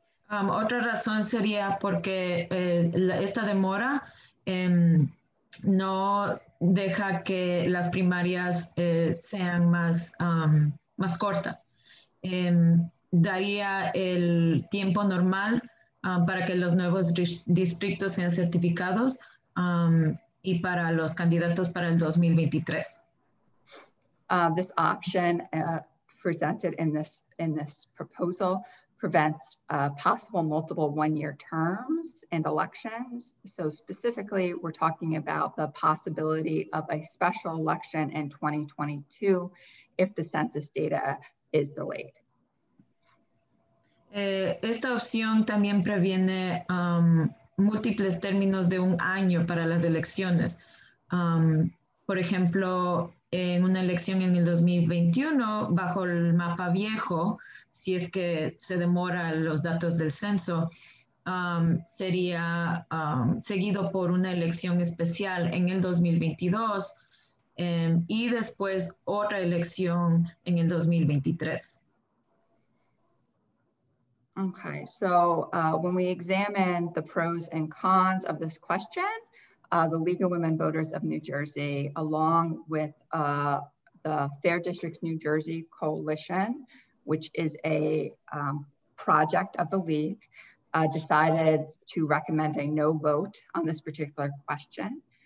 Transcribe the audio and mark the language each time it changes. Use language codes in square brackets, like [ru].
[es] Otra razón sería porque esta demora no deja que las primarias sean más, más cortas. Daría el tiempo normal para que los nuevos distritos sean certificados y para los candidatos para el 2023. [en] This option presented in this proposal prevents possible multiple one-year terms and elections. So specifically, we're talking about the possibility of a special election in 2022 if the census data is delayed. [es] Esta opción también previene múltiples términos de un año para las elecciones. Por ejemplo, en una elección en el 2021, bajo el mapa viejo, si es que se demora los datos del censo, sería seguido por una elección especial en el 2022 y después otra elección en el 2023. [en] Okay, so when we examine the pros and cons of this question, the League of Women Voters of New Jersey, along with the Fair Districts New Jersey Coalition, which is a project of the League, decided to recommend a no vote on this particular question.